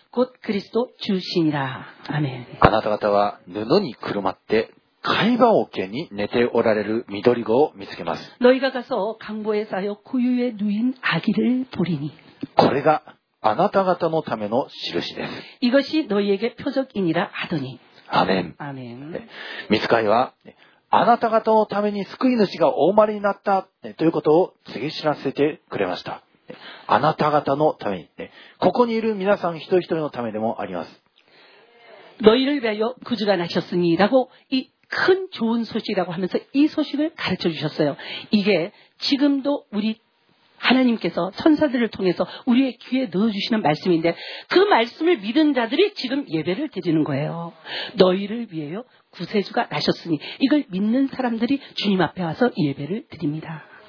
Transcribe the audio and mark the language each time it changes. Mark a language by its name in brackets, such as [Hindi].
[Korean] 곧그리스도주신이라아멘 [Japanese] あなた方は布にくるまって貝場桶に寝ておられる緑子を見つけます [Korean] 너희가가서강보에쌓여구유에누인아기를보리니 [Japanese] これがあなた方のための印です [Korean] 이것이너희에게표적이니라하더니 아멘 아멘 [Japanese] 미스카이와あなた方のために救い主がお生まれになったということを告げ知らせてくれましたあなた方のためにここにいる皆さん一人一人のためでもあります [Korean] 너희를위하여구주가나셨으니라고이큰좋은소식이라고하면서이소식을가르쳐주셨어요이게지금도우리하나님께서천사들을통해서우리의귀에넣어주시는말씀인데그말씀을믿은자들이지금예배를드리는거예요너희를위해요구세주가나셨으니이걸믿는사람들이주님앞에와서예배를드립니다